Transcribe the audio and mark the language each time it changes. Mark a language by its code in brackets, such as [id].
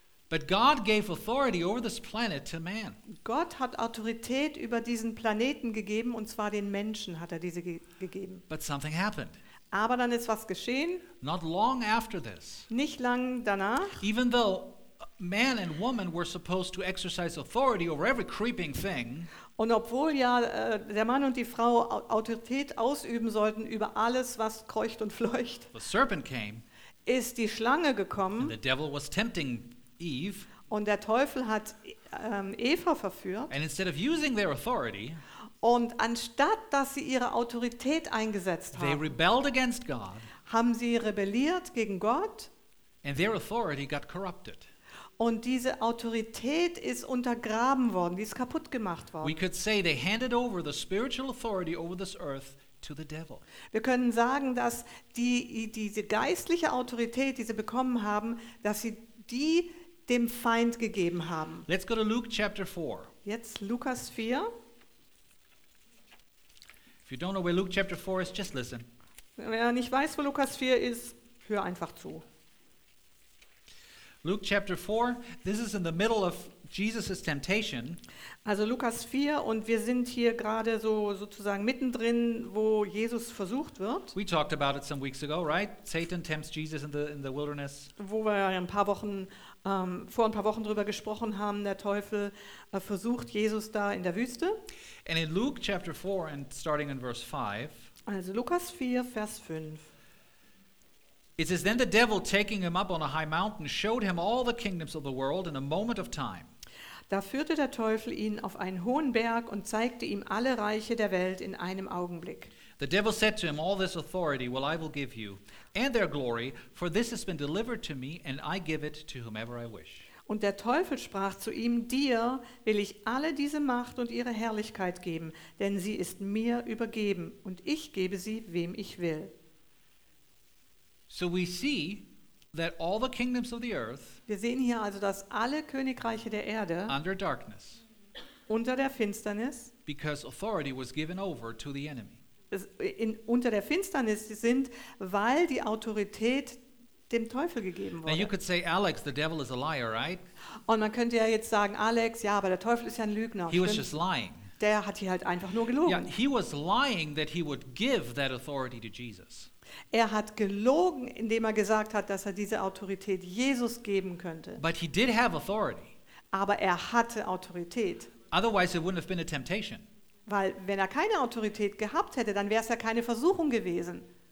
[en] But God gave authority over this planet to man. [de] Gott hat Autorität über diesen Planeten gegeben, und zwar den Menschen hat er diese gegeben. [en] But something happened. [de] Aber dann ist was geschehen. [en] Not long after this. [de] Nicht lang danach. [en] Even though man and woman were supposed to exercise authority over every creeping thing. [de] Und obwohl ja der Mann und die Frau Autorität ausüben sollten über alles, was kreucht und fleucht. [en] The serpent came. [de] Ist die Schlange gekommen. [en] And the devil was tempting Eve, [de] und der Teufel hat Eva verführt. [en] And instead of using their authority, [de] und anstatt dass sie ihre Autorität eingesetzt [en] they [de] haben, [en] rebelled against God, [de] haben sie rebelliert gegen Gott. [en] And their authority got corrupted. [de] Und diese Autorität ist untergraben worden, die ist kaputt gemacht worden. [en] We could say they handed over the spiritual authority over this earth to the devil. [de] Wir können sagen, dass diese geistliche Autorität, die sie bekommen haben, dass sie die dem Feind gegeben haben. [en] Let's go to Luke chapter 4. [de] Jetzt Lukas 4. [en] If you don't know where Luke chapter 4 is, just listen. [de] Wer nicht weiß, wo Lukas 4 ist, hör einfach zu. [en] Luke chapter 4, this is in the middle of Jesus' temptation. [de] Also Lukas 4, und wir sind hier gerade so sozusagen mittendrin, wo Jesus versucht wird. [en] We talked about it some weeks ago, right? Satan tempts Jesus in the wilderness. [de] Wo wir ja vor ein paar Wochen drüber gesprochen haben, der Teufel versucht Jesus da in der Wüste. [en] And in Luke chapter 4 and starting in verse 5. [de] Also Lukas 4, Vers 5. [en] It says, then the devil, taking him up on a high mountain, showed him all the kingdoms of the world in a moment of time. [de] Da führte der Teufel ihn auf einen hohen Berg und zeigte ihm alle Reiche der Welt in einem Augenblick. [en] The devil said to him, "All this authority will I will give you, and their glory, for this has been delivered to me, and I give it to whomever I wish." [de] Und der Teufel sprach zu ihm, "Dir will ich alle diese Macht und ihre Herrlichkeit geben, denn sie ist mir übergeben, und ich gebe sie, wem ich will." [en] So we see that all the kingdoms of the earth, [de] wir sehen hier also, dass alle Königreiche der Erde [en] under darkness, [de] unter der Finsternis, [en] because authority was given over to the enemy, [de] unter der Finsternis sind, weil die Autorität dem Teufel gegeben wurde. [en] Now you could say, Alex, the devil is a liar, right? [de] Und man könnte ja jetzt sagen, Alex, ja, aber der Teufel ist ja ein Lügner. [en] He was just lying. [de] Der hat hier halt einfach nur gelogen. Yeah, [en] he was lying that he would give that authority to Jesus. [de] Er hat gelogen, indem er gesagt hat, dass er diese Autorität Jesus geben könnte. [en] But he did have authority. [de] Aber er hatte Autorität. [en] Otherwise it wouldn't have been a temptation. [de] Weil wenn er keine Autorität gehabt hätte, dann wäre es ja keine Versuchung gewesen.